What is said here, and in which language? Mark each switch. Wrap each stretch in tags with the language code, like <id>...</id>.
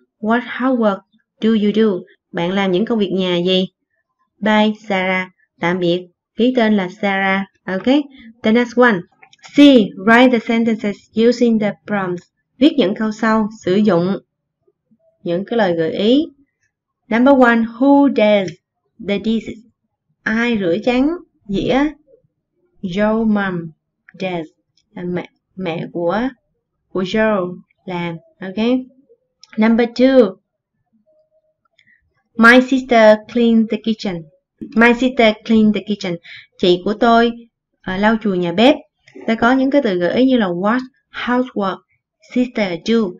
<en>What homework do you do?</en> <vi>Bạn làm những công việc nhà gì?</vi> <en>Bye Sarah.</en> <vi>Tạm biệt, ký tên là Sarah.</vi> <en>Ok, the next one. C. Write the sentences using the prompts.</en> <vi>Viết những câu sau sử dụng những cái lời gợi ý.</vi> <en>Number one, who does the dishes?</en> <vi>Ai rửa chén? dĩa. Joe mom, dad là mẹ của Joe làm.</vi> <en>Okay. Number two. My sister cleans the kitchen. My sister cleans the kitchen.</en> <vi>Chị của tôi lau chùi nhà bếp. Ta có những cái từ gợi ý như là what, housework, sister do.</vi>